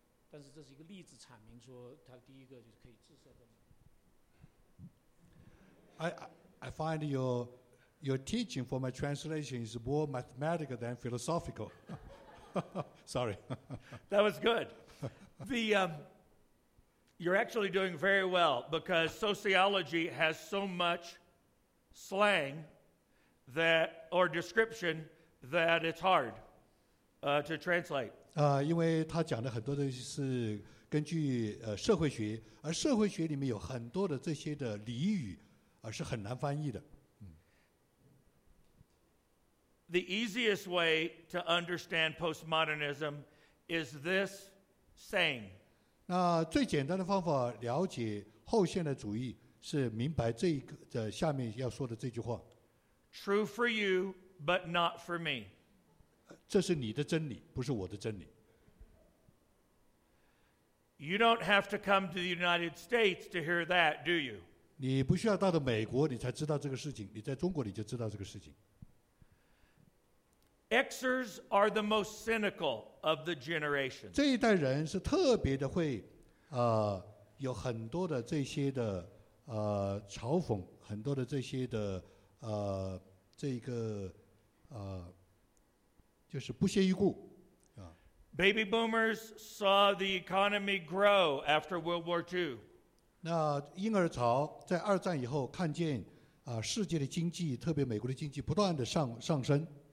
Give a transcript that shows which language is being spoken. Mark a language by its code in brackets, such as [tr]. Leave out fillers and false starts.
[zh] 但是这是一个例子阐明说它第一个就是可以自设的。 [en] I find your teaching for my translation is more mathematical than philosophical. Sorry. That was good. You're actually doing very well, because sociology has so much slang that or description that it's hard to translate. [zh] 因为他讲的很多东西是根据社会学，而社会学里面有很多的这些的俚语是很难翻译的。 [en] The easiest way to understand postmodernism is this saying. [zh] 那最简单的方法了解后现代主义是明白这一个的下面要说的这句话。 [en] True for you, but not for me. [zh] 这是你的真理，不是我的真理。 [en] You don't have to come to the United States to hear that, do you? [zh] 你不需要到了美国，你才知道这个事情，你在中国你就知道这个事情。 [en] Xers are the most cynical of the generation. [zh] 这一代人是特别的会，有很多的这些的，嘲讽，很多的这些的，这个，就是不屑一顾。 [en] Baby boomers saw the economy grow after World War II. [zh] 那婴儿潮在二战以后看见，世界的经济，特别美国的经济不断的上升。